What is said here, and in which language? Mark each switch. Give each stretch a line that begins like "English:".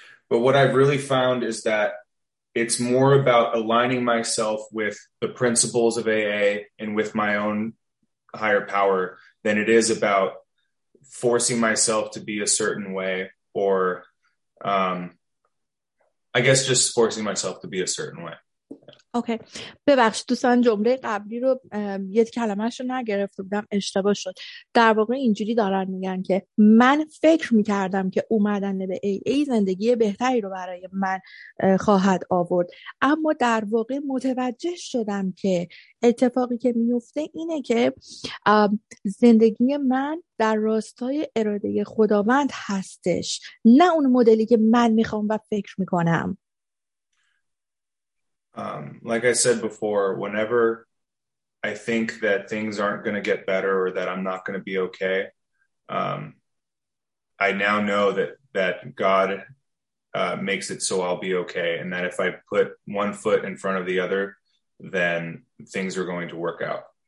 English: But what I've really found is that it's more about aligning myself with the principles of AA and with my own higher power than it is about forcing myself to be a certain way, or I guess just forcing myself to be a certain way.
Persian: اوکی ببخشید دوستان، جمله قبلی رو یک کلمه‌اش رو نگرفته بودم، اشتباه شد. در واقع اینجوری دارن میگن که من فکر میکردم که اومدن به ای ای زندگی بهتری رو برای من خواهد آورد، اما در واقع متوجه شدم که اتفاقی که میفته اینه که زندگی من در راستای اراده خداوند هستش، نه اون مدلی که من میخوام و فکر میکنم.
English: Like I said before, whenever I think that things aren't going to get better or that I'm not going to be okay, I now know that God makes it so I'll be okay, and that if I put one foot in front of the other, then things are going to work out.